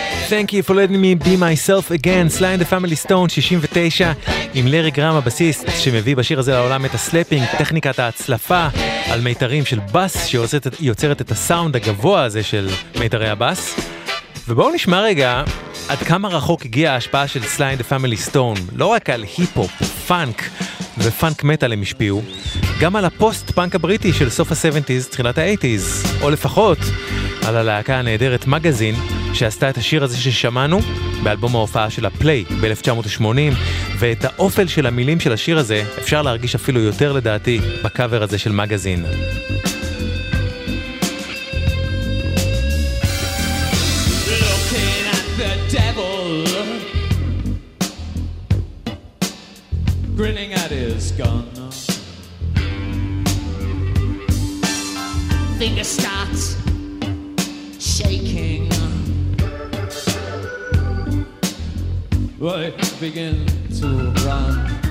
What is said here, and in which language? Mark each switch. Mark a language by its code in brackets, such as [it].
[en] Thank you for letting me be myself again. [he] Sly and the Family Stone, 69, עם לארי גראם הבסיסט, שמביא בשיר הזה לעולם את הסלאפינג, טכניקת ההצלפה על מיתרים של בס, שיוצרת את הסאונד הגבוה הזה של מיתרי הבס. ובואו נשמע רגע עד כמה רחוק הגיעה ההשפעה של Sly and the Family Stone, לא רק על היפ-הופ, פאנק ופאנק מטל הם השפיעו, גם על הפוסט-פאנק הבריטי של סוף ה-70s, תחילת ה-80s, או לפחות על הלהקה הנהדרת מגזין, שעשתה את השיר הזה ששמענו באלבום ההופעה של הפליי ב-1980, ואת האופל של המילים של השיר הזה אפשר להרגיש אפילו יותר לדעתי בקאבר הזה של מגזין. [en] Looking at the devil, grinning at his gun, finger starts shaking, I begin to run.